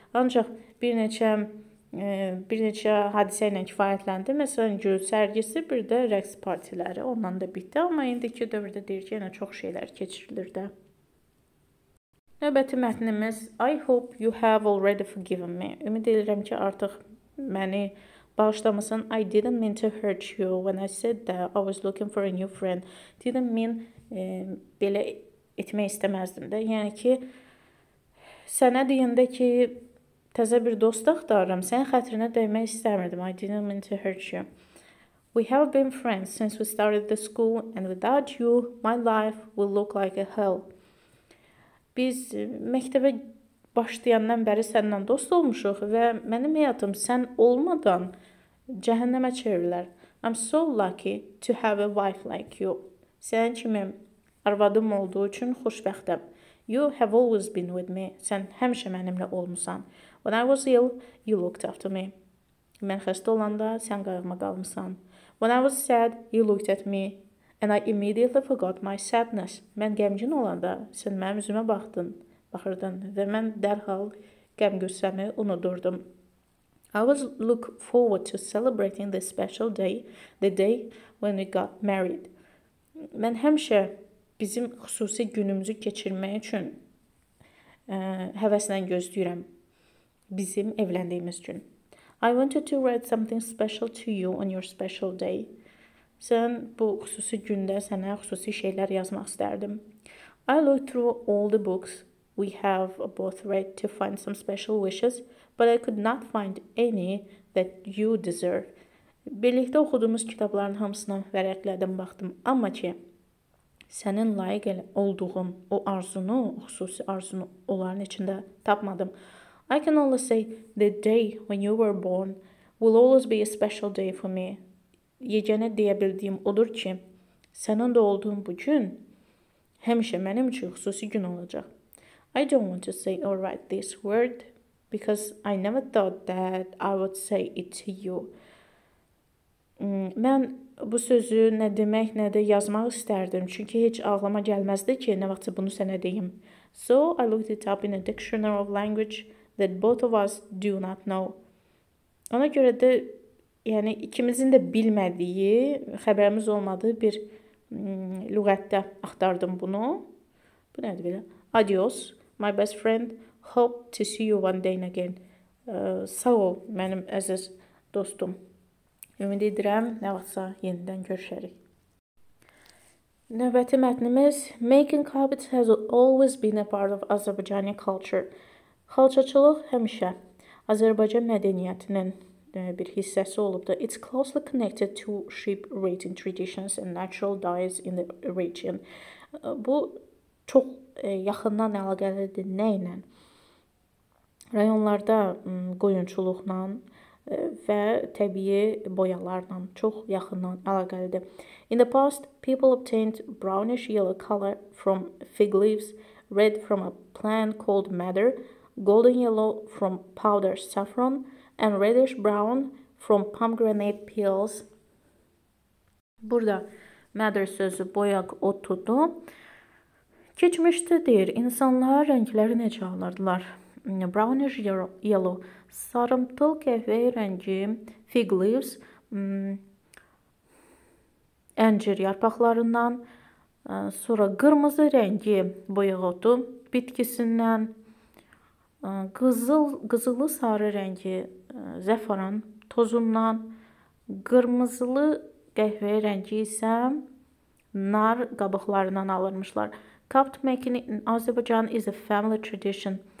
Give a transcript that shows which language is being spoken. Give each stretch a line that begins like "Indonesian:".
Azerbaijani: Ancaq bir neçə hadisə ilə kifayətləndi. Məsələn, gül sərgisi, bir də rəqs partiləri. Ondan da bitdi. Amma indiki dövrdə deyir ki, yenə çox şeylər keçirilir də. Növbəti mətnimiz.
English: I hope you have already forgiven me.
Azerbaijani: Ümid edirəm ki, artıq məni bağışlamasın.
English: I didn't mean to hurt you when I said that I was looking for a new friend. Didn't mean
Azerbaijani: belə etmək istəməzdim də. Yəni ki, sənə deyəndə ki, Təzə bir dost axtarıram. Sənin xətrinə dəymək istəmirdim.
English: I didn't mean to hurt you. We have been friends since we started the school and without you, my life will look like a hell.
Azerbaijani: Biz məktəbə başlayandan bəri səndən dost olmuşuq və mənim həyatım sən olmadan cəhənnəmə çevrilər.
English: I'm so lucky to have a wife like you.
Azerbaijani: Sənin kimi arvadım olduğu üçün xoşbəxtəm.
English: You have always been with me.
Azerbaijani: Sən həmişə mənimlə olmuşsan.
English: When I was ill, you looked after me.
Azerbaijani: Mən xəstə olanda sən qayğıma qalmışsan.
English: When I was sad, you looked at me and I immediately forgot my sadness.
Azerbaijani: Mən qəmgin olanda sən mənim üzümə baxırdın və mən dərhal qəm qüssəmi unudurdum.
English: I was look forward to celebrating this special day, the day when we got married.
Azerbaijani: Mən həmişə bizim xüsusi günümüzü keçirmək üçün həvəslə gözləyirəm bizim evləndiyimiz gün.
English: I wanted to write something special to you on your special day.
Azerbaijani: Sən bu xüsusi gündə sənə xüsusi şeylər yazmaq istərdim.
English: I looked through all the books we have both read to find some special wishes, but I could not find any that you deserve.
Azerbaijani: Birlikdə oxuduğumuz kitabların hamısına vərəqlədim, baxdım. Amma ki, sənin layiq olduğun o arzunu, o xüsusi arzunu onların içində tapmadım.
English: I can only say the day when you were born will always be a special day for me.
Azerbaijani: Yeganə deyə bildiyim odur ki, sənin doğduğun bu gün həmişə mənim üçün xüsusi gün olacaq.
English: I don't want to say or write this word because I never thought that I would say it to you.
Azerbaijani: Mən bu sözü nə demək, nə də yazmaq istərdim. Çünki heç ağlama gəlməzdi ki, nə vaxtsa bunu sənə deyim.
English: So I looked it up in a dictionary of language that both of us do not know.
Azerbaijani: Ona görə də, yəni, ikimizin də bilmədiyi, xəbərimiz olmadığı bir lüğətdə axtardım bunu. Bu nədir belə?
English: Adios, my best friend. Hope to see you one day again.
Azerbaijani: Sağ ol, mənim əziz dostum. Ümid edirəm, nə vaxtsa yenidən görüşərik. Növbəti mətnimiz,
English: making carpets has always been a part of Azerbaijani culture.
Azerbaijani: Xalçaçılıq həmişə Azərbaycan mədəniyyətinin bir hissəsi olubdur.
English: It's closely connected to sheep raising traditions and natural dyes in the region.
Azerbaijani: Bu çox yaxından əlaqəlidir nə ilə? Rayonlarda qoyunçuluqla və təbii boyalarla çox yaxından əlaqəlidir.
English: In the past, people obtained brownish yellow color from fig leaves, red from a plant called madder, golden yellow from powdered saffron and reddish brown from pomegranate peels.
Azerbaijani: Burada madder sözü boyaq otudu. Keçmişdə deyir, insanlar rəngləri necə alırdılar?
English: Brownish yellow,
Azerbaijani: sarımtıl qəhvəyi rəngi,
English: fig leaves,
Azerbaijani: əncir yarpaqlarından, sonra qırmızı rəngi boyaq otu bitkisindən, qızılı sarı rəngi zəfəran tozundan, qırmızılı qəhvəyi rəngi isə nar qabıqlarından alırmışlar.
English: Carpet making in Azerbaijan is a family tradition.